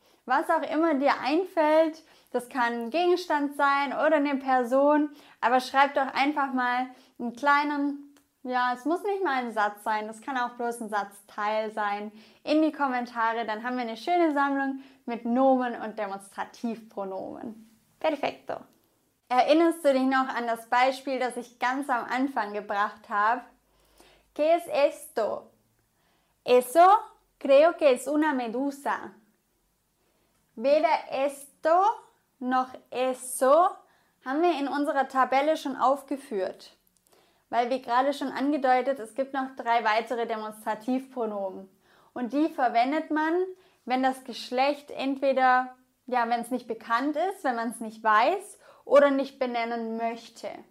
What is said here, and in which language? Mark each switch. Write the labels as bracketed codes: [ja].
[de] Was auch immer dir einfällt, das kann ein Gegenstand sein oder eine Person, aber schreib doch einfach mal einen kleinen, ja, es muss nicht mal ein Satz sein, das kann auch bloß ein Satzteil sein, in die Kommentare, dann haben wir eine schöne Sammlung mit Nomen und Demonstrativpronomen. Perfecto! Erinnerst du dich noch an das Beispiel, das ich ganz am Anfang gebracht habe? [es] ¿Qué es esto? Eso creo que es una medusa. [de] Weder esto noch eso haben wir in unserer Tabelle schon aufgeführt. Weil, wie gerade schon angedeutet, es gibt noch 3 weitere Demonstrativpronomen. Und die verwendet man, wenn das Geschlecht entweder, ja, wenn es nicht bekannt ist, wenn man es nicht weiß oder nicht benennen möchte.